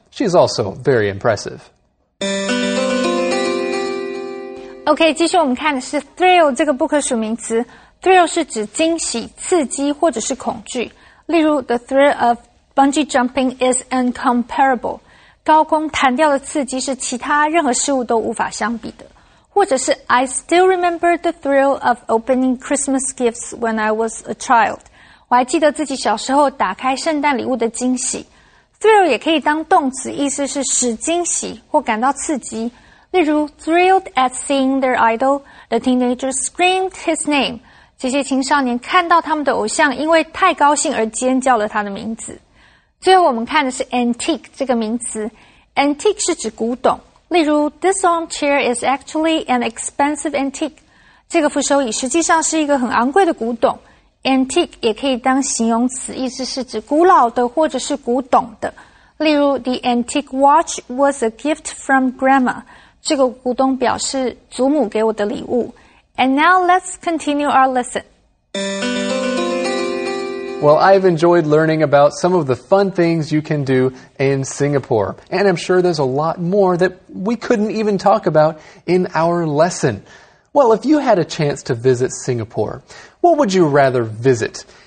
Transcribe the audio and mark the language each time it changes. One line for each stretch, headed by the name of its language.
English: She's also very impressive.
Chinese: Okay, 继续我们看的是 thrill 这个不可数名词。Thrill 是指惊喜、刺激或者是恐惧。
English: 例如 the thrill of bungee jumping is incomparable.
Chinese: 高空弹跳的刺激是其他任何事物都无法相比的。
English: 或者是 I still remember the thrill of opening Christmas gifts when I was a child.
Chinese: 我还记得自己小时候打开圣诞礼物的惊喜。 Thrill 也可以当动词，意思是使惊喜或感到刺激。
English: 例如 thrilled at seeing their idol, the teenager screamed his name.
Chinese: 这些青少年看到他们的偶像，因为太高兴而尖叫了他的名字。最后我们看的是 antique 这个名词。Antique 是指古董。
English: 例如 this armchair is actually an expensive antique.
Chinese: 这个扶手椅实际上是一个很昂贵的古董。 Antique 也可以当形容词，意思是指古老的或者是古董的。
English: 例如 the antique watch was a gift from grandma.
Chinese: 这个古董表是祖母给我的礼物。
English: And now let's continue our lesson. Well, I've enjoyed learning about some of the fun things you can do in Singapore. And I'm sure there's a lot more that we couldn't even talk about in our lesson. Well, if you had a chance to visit Singapore, what would you rather visit?